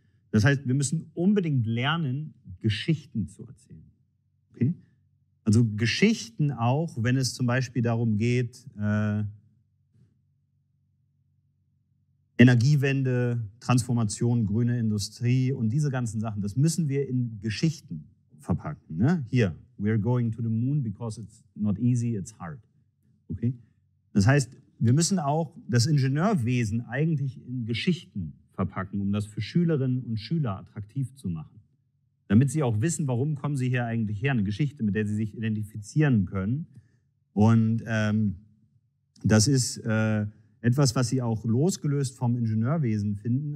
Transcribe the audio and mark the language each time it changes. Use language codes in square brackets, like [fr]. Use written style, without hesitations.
[de] Das heißt, wir müssen unbedingt lernen, Geschichten zu erzählen. Okay? Also Geschichten auch, wenn es zum Beispiel darum geht, Energiewende, Transformation, grüne Industrie und diese ganzen Sachen, das müssen wir in Geschichten verpacken. Ne? [en] Hier, we're going to the moon because it's not easy, it's hard. Okay? [de] Das heißt, wir müssen auch das Ingenieurwesen eigentlich in Geschichten verpacken, um das für Schülerinnen und Schüler attraktiv zu machen. Damit sie auch wissen, warum kommen sie hier eigentlich her. Eine Geschichte, mit der sie sich identifizieren können. Und das ist etwas, was Sie auch losgelöst vom Ingenieurwesen finden.